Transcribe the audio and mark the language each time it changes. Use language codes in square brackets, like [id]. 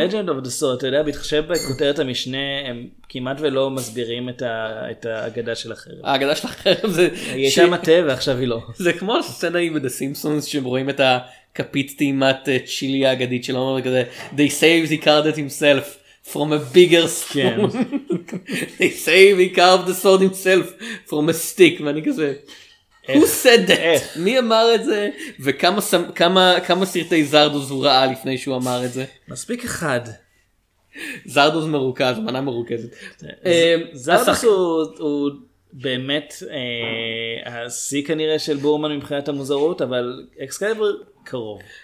[he] The Legend of the Sword, אתה יודע, בהתחשב בכותרת המשנה הם כמעט ולא מסבירים את האגדה של החרב. האגדה של החרב זה היא הייתה מטה ועכשיו היא לא. זה כמו הסצנה עם The Simpsons שרואים את הכפית טעימת צ'ילי האגדית שלו, וכזה [en] They saved, he carved it himself from a bigger spoon. They saved, he carved the sword himself from a stick. [he] ואני כזה, הוא סדט, מי אמר את זה, וכמה סרטי זרדוס הוא ראה לפני שהוא אמר את זה? מספיק אחד. זרדוס מרוכז, מנה מרוכזת. זרדוס הוא באמת השיא כנראה של בורמן מבחינת המוזרות, אבל אקסקליבר קרוב.